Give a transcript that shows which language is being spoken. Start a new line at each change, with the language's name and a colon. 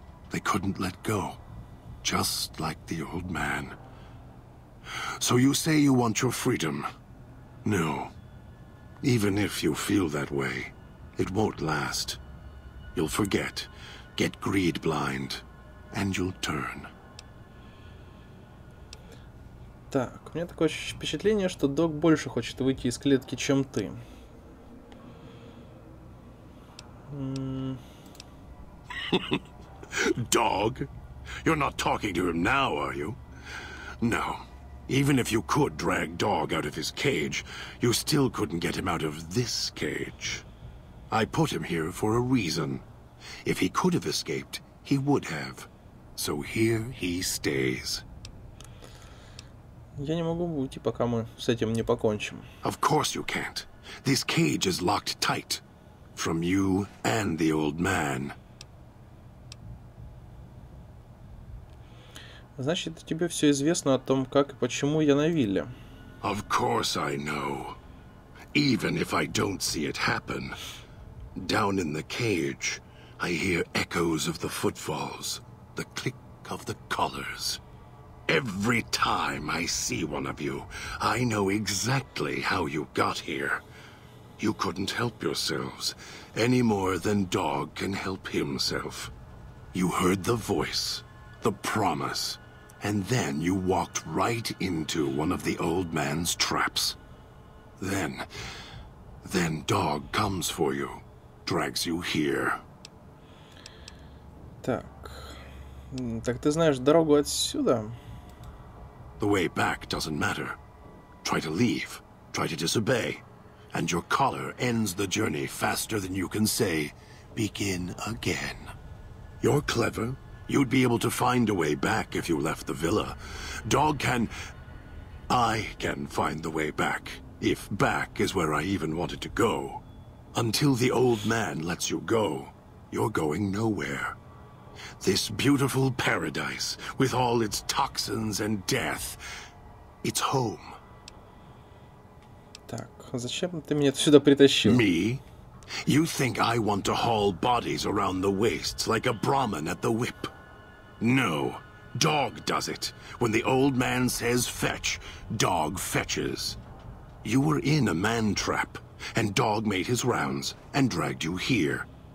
English: They couldn't let go, just like the old man. So you say you want your freedom? No. Even if you feel that way. It won't last. You'll forget, get greed blind, and you'll turn.
Russian: Так, у меня такое впечатление, что Док больше хочет выйти из клетки, чем ты.
English: Dog? You're not talking to him now, are you? No. Even if you could drag Dog out of his cage, you still couldn't get him out of this cage. I put him here for a reason. If he could have escaped, he would have. So here he stays.
Russian: Я не могу уйти, пока мы с этим не покончим.
English: Of course you can't. This cage is locked tight. From you and the old man.
Russian: Значит, тебе все известно о том, как и почему я на вилле.
English: Of course I know. Even if I don't see it happen. Down in the cage, I hear echoes of the footfalls, the click of the collars. Every time I see one of you, I know exactly how you got here. You couldn't help yourselves any more than Dog can help himself. You heard the voice, the promise, and then you walked right into one of the old man's traps. Then Dog comes for you, drags you here.
Russian: Так ты знаешь дорогу отсюда?
English: The way back doesn't matter. Try to leave, try to disobey, and your collar ends the journey faster than you can say, begin again. You're clever. You'd be able to find a way back if you left the villa. Dog can... I can find the way back, if back is where I even wanted to go. Until the old man lets you go, you're going nowhere. This beautiful paradise, with all its toxins and death, it's home.
Russian: Так, зачем ты меня сюда притащил?
English: Me? You think I want to haul bodies around the waist like a Brahmin at the whip? No, Dog does it. When the old man says fetch, Dog fetches. You were in a man trap, and Dog made his rounds and dragged you here.